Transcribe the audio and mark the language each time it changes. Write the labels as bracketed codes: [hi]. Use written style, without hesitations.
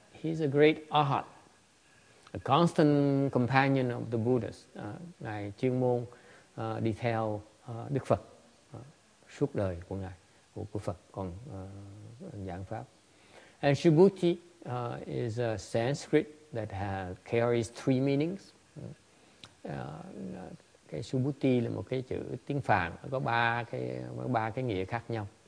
[en] He's a great Arhat, a constant companion of the Buddhas. [vi] Ngài chuyên môn đi theo Đức Phật suốt đời của Ngài, của Phật còn giảng pháp. [en] And Subhuti is a Sanskrit that carries three meanings. [vi] Cái Subhuti là một cái chữ tiếng Phạn có ba cái nghĩa khác nhau.